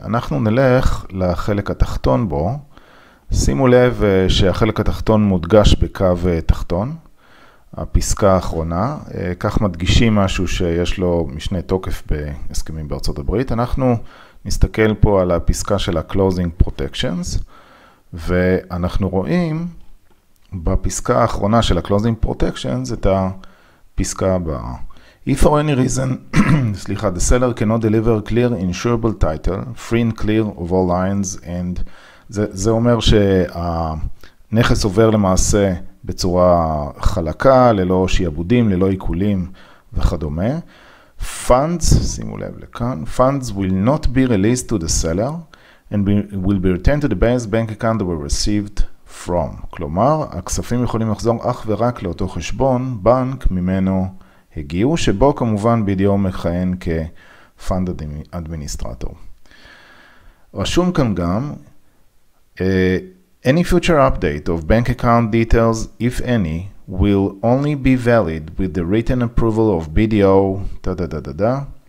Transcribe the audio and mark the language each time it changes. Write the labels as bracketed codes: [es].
[he] אנחנו נלך לחלק התחתון בו. שימו לב שהחלק התחתון מודגש בקו תחתון, הפסקה האחרונה, כך מדגישים משהו שיש לו משנה תוקף בהסכמים בארצות הברית. אנחנו נסתכל פה על הפסקה של ה-Closing Protections, ואנחנו רואים בפסקה האחרונה של ה-Closing Protections את הפסקה הבאה. [en] If for any reason, the seller cannot deliver clear insurable title, free and clear of all lines and... [he] זה אומר שהנכס עובר למעשה בצורה חלקה, ללא שיעבודים, ללא עיקולים וכדומה. [en] Funds, [he] שימו לב לכאן, [en] funds will not be released to the seller and will be returned to the base bank account they were received from. [he] כלומר, הכספים יכולים לחזור אך ורק לאותו חשבון בנק ממנו הגיעו, שבו כמובן בדיוק מכהן כפאנד אדמיניסטרטור. רשום כאן גם, [en] any future update of bank account details, if any, will only be valid with the written approval of BDO, da-da-da-da-da.